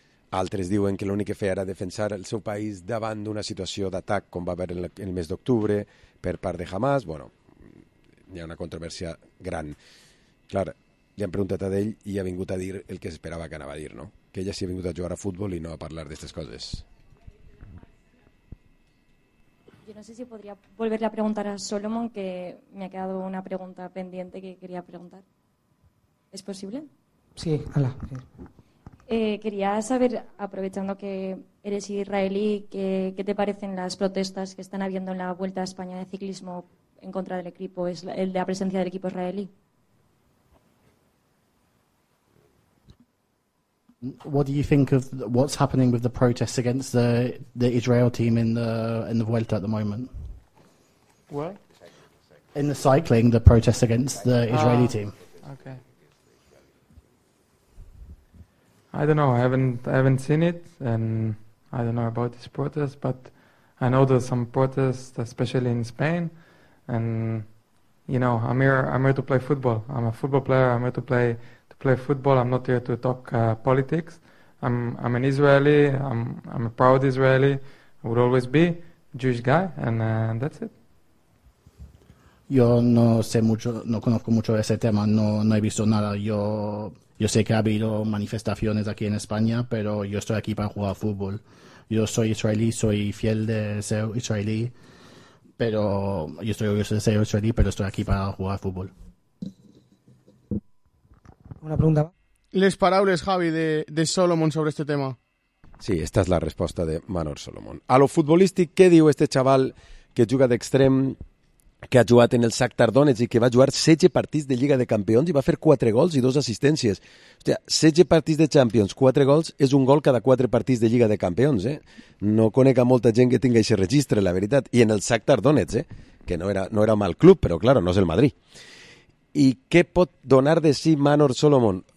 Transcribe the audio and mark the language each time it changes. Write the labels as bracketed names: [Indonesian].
[Catalan] Altres diuen que l'únic que feia era defensar el seu país davant d'una situació d'atac com va haver el mes d'octubre per part de Hamas. Bueno, hi ha una controvèrsia gran. Clar, li han preguntat a ell i ha vingut a dir el que esperava que anava a dir, no? Que ella s'hi ha vingut a jugar a futbol i no a parlar d'aquestes coses. [Spanish] Yo no sé si podría volverle a preguntar a Solomon, que me ha quedado una pregunta pendiente que quería preguntar. ¿Es posible? Sí, hola. Quería saber, aprovechando que eres israelí, ¿qué te parecen las protestas que están habiendo en la Vuelta a España de ciclismo en contra del equipo, de la presencia del equipo israelí? [English] What do you think of what's happening with the protests against the Israel team in the Vuelta at the moment? What? In the cycling, the protests against the Israeli team. Okay. I don't know. I haven't seen it, and I don't know about this protest, but I know there's some protests, especially in Spain. And, you know, I'm here to play football. I'm a football player. I'm here to play football. I'm not here to talk politics. I'm an Israeli. I'm a proud Israeli. I would always be a Jewish guy, and that's it. [Spanish] Yo no sé mucho, no conozco mucho ese tema, no he visto nada. Yo sé que ha habido manifestaciones aquí en España, pero yo estoy aquí para jugar fútbol. Yo soy israelí, soy fiel de ser israelí, pero yo estoy orgulloso de ser israelí, pero estoy aquí para jugar fútbol. Una pregunta. [Catalan] Les paraules, Javi, de Solomon sobre este tema. [Spanish] Sí, esta es la respuesta de Manor Solomon. A lo futbolístico, ¿qué dijo este chaval que juega de extremo? [Catalan] Que ha jugat en el Shakhtar Donetsk i que va jugar 16 partits de Lliga de Campions i va fer 4 gols i 2 assistències. Hòstia, 16 partits de Champions, 4 gols, és un gol cada 4 partits de Lliga de Campions, eh? No conec a molta gent que tingui aquest registre, la veritat. I en el Shakhtar Donetsk, eh? Que no era mal club, però claro, no és el Madrid. I què pot donar de si Manor Solomon?